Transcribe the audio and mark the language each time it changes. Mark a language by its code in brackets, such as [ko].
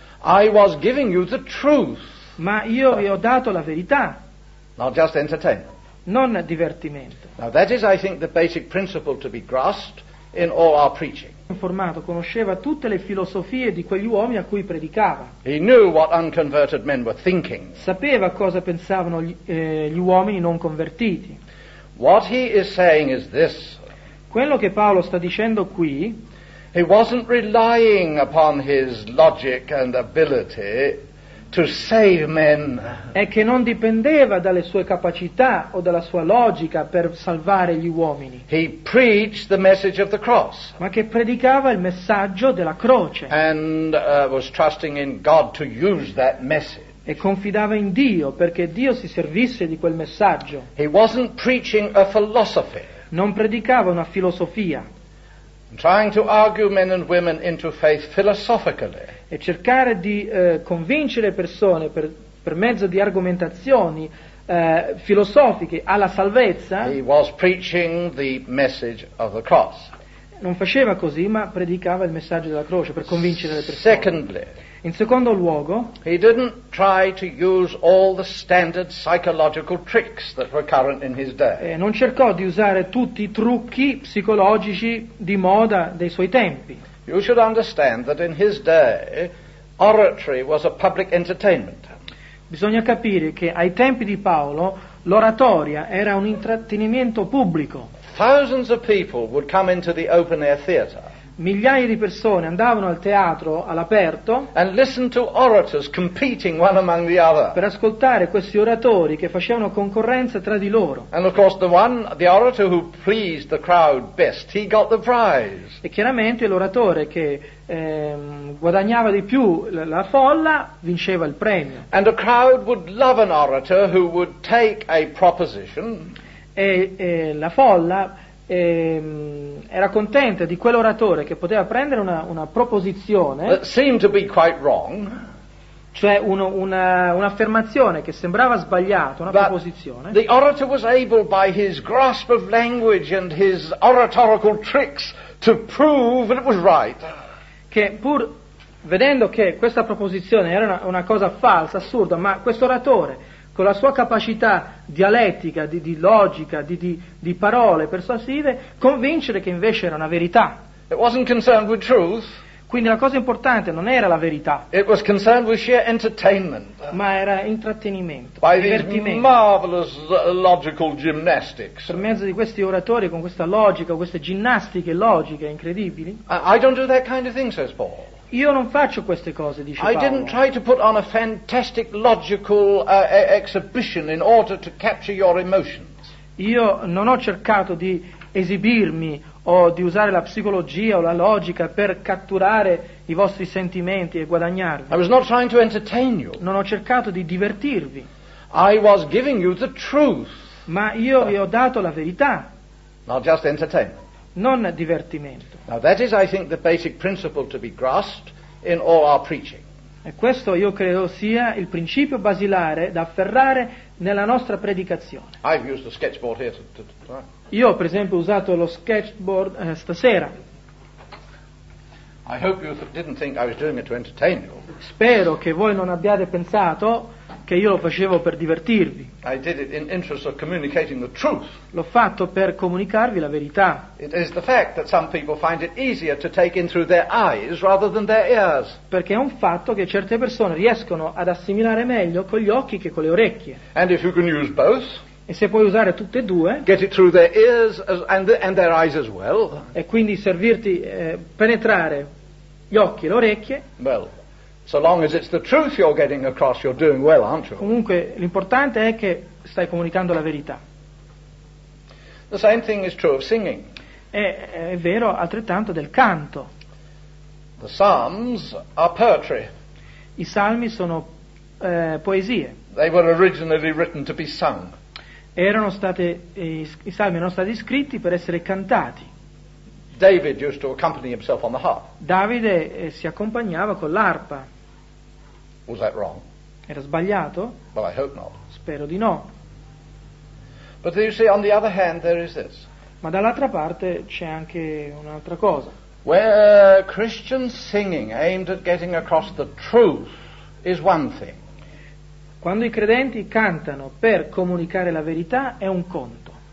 [en] I was giving you the truth. [it] Ma io vi ho dato la verità. [en] Not just entertainment. [it] Non divertimento. [en] Now that is, I think, the basic principle to be grasped in all our preaching. [it] Informato, conosceva tutte le filosofie di quegli uomini a cui predicava. [en] He knew what unconverted men were thinking. [it] Sapeva cosa pensavano gli uomini non convertiti. [en] What he is saying is this. [it] Quello che Paolo sta dicendo qui. [en] He wasn't relying upon his logic and ability to save men. [it] È che non dipendeva dalle sue capacità o dalla sua logica per salvare gli uomini. [en] He preached the message of the cross. [it] Ma che predicava il messaggio della croce. [en] And was trusting in God to use that message. [it] E confidava in Dio perché Dio si servisse di quel messaggio. [en] He wasn't preaching a philosophy. [it] Non predicava una filosofia. [en] Trying to argue men and women into faith philosophically. [it] E cercare di convincere persone per mezzo di argomentazioni filosofiche alla salvezza. [en] He was preaching the message of the cross. [it] Non faceva così, ma predicava il messaggio della croce per convincere le persone. [en] Secondly, [it] in secondo luogo, [en] he didn't try to use all the standard psychological tricks that were current in his day. [it] Non cercò di usare tutti i trucchi psicologici di moda dei suoi tempi. [en] You should understand that in his day, oratory was a public entertainment. [it] Bisogna capire che ai tempi di Paolo l'oratoria era un intrattenimento pubblico. [en] Thousands of people would come into the open air theater. [it] Migliaia di persone andavano al teatro all'aperto [en] and listened to orators competing one among the other. [it] Per ascoltare questi oratori che facevano concorrenza tra di loro. [en] And of course the orator who pleased the crowd best, he got the prize. [it] E chiaramente l'oratore che guadagnava di più la folla vinceva il premio. [en] And a crowd would love an orator who would take a proposition. [it] E la folla era contenta di quell'oratore che poteva prendere una proposizione [en] that seemed to be quite wrong, [it] cioè un'affermazione che sembrava sbagliata, una proposizione. [en] The orator was able by his grasp of language and his oratorical tricks to prove that it was right. [it] Che pur vedendo che questa proposizione era una cosa falsa, assurda, ma questo oratore con la sua capacità dialettica, di logica, di parole persuasive, convincere che invece era una verità. [en] It wasn't concerned with truth. [it] Quindi la cosa importante non era la verità. [en] It was concerned with sheer entertainment. [it] Ma era intrattenimento, [en] by [it] divertimento. [en] These marvelous logical gymnastics. [it] Per mezzo di questi oratori con questa logica, queste ginnastiche logiche incredibili. [en] I don't do that kind of thing, says Paul. [it] Io non faccio queste cose, dice Paolo. [en] I didn't try to put on a fantastic logical exhibition in order to capture your emotions. [it] Io non ho cercato di esibirmi o di usare la psicologia o la logica per catturare i vostri sentimenti e guadagnarvi. [en] I was not trying to entertain you. [it] Non ho cercato di divertirvi. [en] I was giving you the truth. [it] Ma io vi ho dato la verità. [en] not just entertainment. [it] Non divertimento. [en] Now that is, I think, the basic principle to be grasped in all our preaching. [it] E questo io credo sia il principio basilare da afferrare nella nostra predicazione. [en] I've used the sketchboard here tonight. [it] Io, per esempio, ho usato lo sketchboard stasera. [en] I hope you didn't think I was doing it to entertain you. [it] Spero che voi non abbiate pensato che io lo facevo per divertirvi. [en] I did it in interest of communicating the truth. [it] L'ho fatto per comunicarvi la verità. [en] It is the fact that some people find it easier to take in through their eyes rather than their ears. [it] Perché è un fatto che certe persone riescono ad assimilare meglio con gli occhi che con le orecchie. [en] And if you can use both. [it] E se puoi usare tutte e due, [en] get it through their ears and their eyes as well. [it] E quindi servirti penetrare gli occhi e le orecchie. [en] Well, so long as it's the truth you're getting across, you're doing well, aren't you? [it] Comunque l'importante è che stai comunicando la verità. [en] The same thing is true of singing. [it] È vero altrettanto del canto. [en] The Psalms are poetry. [it] I salmi sono poesie. [en] They were originally written to be sung. [it] Erano state i salmi erano stati scritti per essere cantati. [en] David used to accompany himself on the harp. [it] Davide si accompagnava con l'arpa. [en] Was that wrong? [it] Era sbagliato? [en] Well, I hope not. [it] Spero di no. [en] But you see, on the other hand, there is this. [it] Ma dall'altra parte c'è anche un'altra cosa. [en] Where Christian singing aimed at getting across the truth is one thing. [it] Quando i credenti cantano per comunicare la verità è un conto.